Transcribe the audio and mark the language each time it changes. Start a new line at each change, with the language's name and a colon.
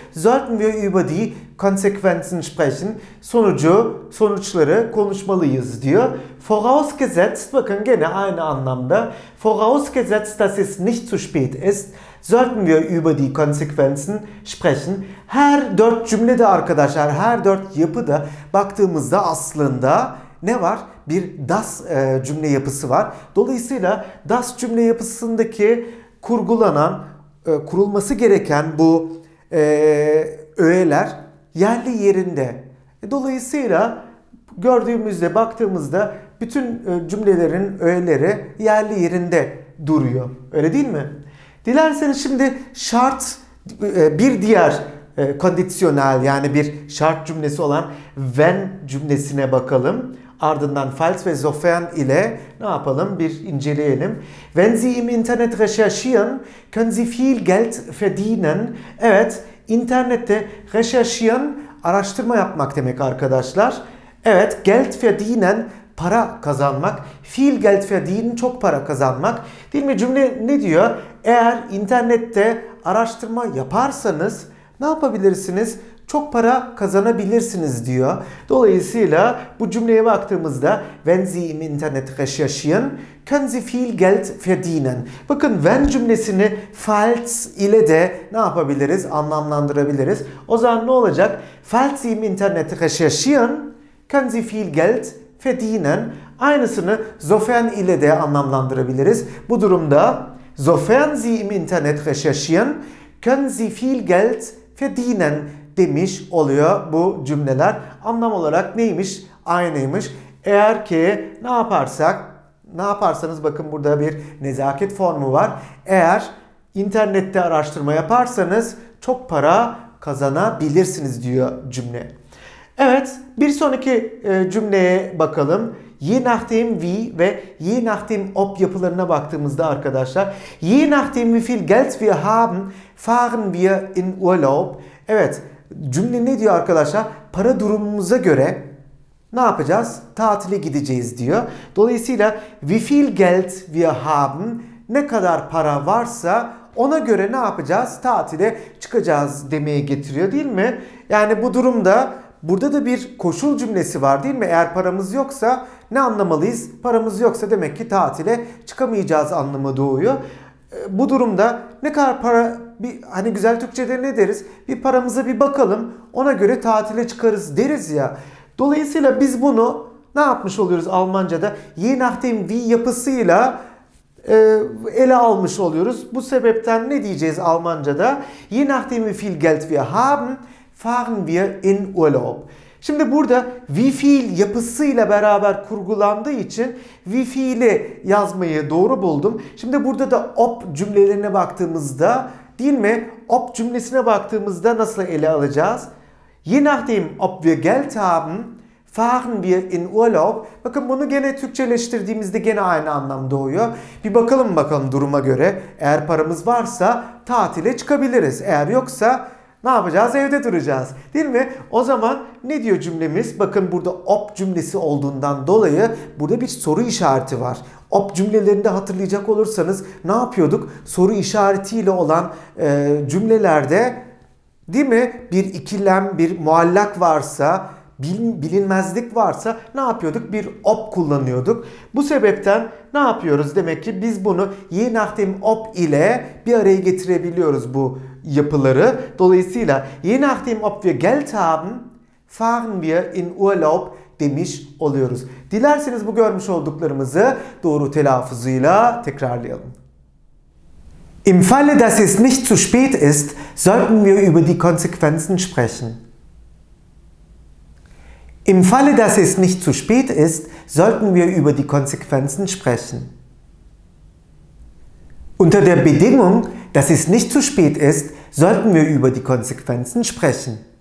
German: Sollten wir über die Konsequenzen sprechen.
Turkish: Sonucu, sonuçları konuşmalıyız diyor. Vorausgesetzt, bakın gene aynı anlamda.
German: Vorausgesetzt, dass es nicht zu spät ist. Sollten wir über die Konsequenzen sprechen.
Turkish: Her dört cümlede arkadaşlar, her dört yapıda baktığımızda aslında ne var? Bir das cümle yapısı var. Dolayısıyla das cümle yapısındaki kurgulanan, kurulması gereken bu öğeler yerli yerinde. Dolayısıyla gördüğümüzde, baktığımızda bütün cümlelerin öğeleri yerli yerinde duruyor. Öyle değil mi? Dilerseniz şimdi şart, bir diğer kondisyonel yani bir şart cümlesi olan wenn cümlesine bakalım. Ardından falls ve sofern ile ne yapalım? Bir inceleyelim.
German: Wenn Sie im Internet recherchieren, können Sie viel Geld verdienen.
Turkish: Evet, internette recherchieren, araştırma yapmak demek arkadaşlar. Evet,
German: Geld verdienen,
Turkish: para kazanmak.
German: Viel Geld verdienen,
Turkish: çok para kazanmak. Değil mi? Cümle ne diyor? Eğer internette araştırma yaparsanız ne yapabilirsiniz? Çok para kazanabilirsiniz diyor. Dolayısıyla bu cümleye baktığımızda
German: wenn Sie im Internet recherchieren, können Sie viel Geld verdienen.
Turkish: Bakın wenn cümlesini falls ile de ne yapabiliriz? Anlamlandırabiliriz. O zaman ne olacak?
German: Falls Sie im Internet recherchieren, können Sie viel Geld verdienen.
Turkish: Aynısını sofern ile de anlamlandırabiliriz. Bu durumda
German: sofern Sie im Internet recherchieren, können Sie viel Geld verdienen
Turkish: demiş oluyor bu cümleler. Anlam olarak neymiş? Aynıymış. Eğer ki ne yaparsak, ne yaparsanız bakın burada bir nezaket formu var. Eğer internette araştırma yaparsanız çok para kazanabilirsiniz diyor cümle. Evet, bir sonraki cümleye bakalım.
German: Je nachdem wie
Turkish: ve
German: je nachdem ob
Turkish: yapılarına baktığımızda arkadaşlar.
German: Je nachdem wie viel Geld wir haben, fahren wir in Urlaub.
Turkish: Evet, cümle ne diyor arkadaşlar? Para durumumuza göre ne yapacağız? Tatile gideceğiz diyor. Dolayısıyla
German: wie viel Geld wir haben,
Turkish: ne kadar para varsa ona göre ne yapacağız? Tatile çıkacağız demeye getiriyor değil mi? Yani bu durumda burada da bir koşul cümlesi var değil mi? Eğer paramız yoksa ne anlamalıyız? Paramız yoksa demek ki tatile çıkamayacağız anlamı doğuyor. Bu durumda ne kadar para, bir hani güzel Türkçe'de ne deriz? Bir paramıza bir bakalım, ona göre tatile çıkarız deriz ya. Dolayısıyla biz bunu ne yapmış oluyoruz Almanca'da?
German: Je nachdem wie
Turkish: yapısıyla ele almış oluyoruz. Bu sebepten ne diyeceğiz Almanca'da?
German: Je nachdem wie viel Geld wir haben, fahren wir in Urlaub.
Turkish: Şimdi burada
German: wie viel
Turkish: yapısıyla beraber kurgulandığı için wie viel'i yazmayı doğru buldum. Şimdi burada da ob cümlelerine baktığımızda değil mi? Ob cümlesine baktığımızda nasıl ele alacağız?
German: Je nachdem ob wir Geld haben, fahren wir in Urlaub.
Turkish: Bakın bunu gene Türkçeleştirdiğimizde gene aynı anlam doğuyor. Bir bakalım bakalım duruma göre. Eğer paramız varsa tatile çıkabiliriz. Eğer yoksa ne yapacağız? Evde duracağız. Değil mi? O zaman ne diyor cümlemiz? Bakın burada ob cümlesi olduğundan dolayı burada bir soru işareti var. Ob cümlelerinde hatırlayacak olursanız ne yapıyorduk? Soru işaretiyle olan cümlelerde değil mi? Bir ikilem, bir muallak varsa, bilinmezlik varsa ne yapıyorduk? Bir ob kullanıyorduk. Bu sebepten ne yapıyoruz? Demek ki biz bunu
German: je nachdem ob
Turkish: ile bir araya getirebiliyoruz bu yapıları. Dolayısıyla
German: je nachdem ob wir Geld haben, fahren wir in Urlaub
Turkish: demiş oluyoruz. Dilerseniz bu görmüş olduklarımızı doğru telaffuzuyla tekrarlayalım.
German: Im Falle, dass es nicht zu spät ist, sollten wir über die Konsequenzen sprechen. Im Falle, dass es nicht zu spät ist, sollten wir über die Konsequenzen sprechen. Unter der Bedingung, dass es nicht zu spät ist, sollten wir über die Konsequenzen sprechen.